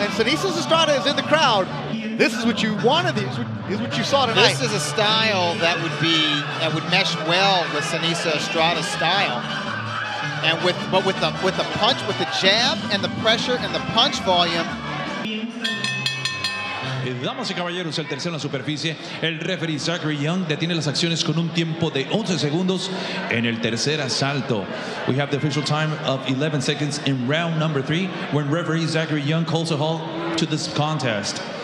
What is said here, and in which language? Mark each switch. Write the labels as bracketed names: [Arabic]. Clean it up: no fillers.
[English] And Sinisa Estrada is in the crowd. This is what you wanted. This is what you saw tonight. This is a style that would be, that would mesh well with Sinisa Estrada's style. And with, but with the punch, with the jab and the pressure and the punch volume. [Spanish] Damas y caballeros, el tercero en la superficie, el referee Zachary Young detiene las acciones con un tiempo de 11 segundos en el tercer asalto. [English] We have the official time of 11 seconds in round number 3 when referee Zachary Young calls a halt to this contest.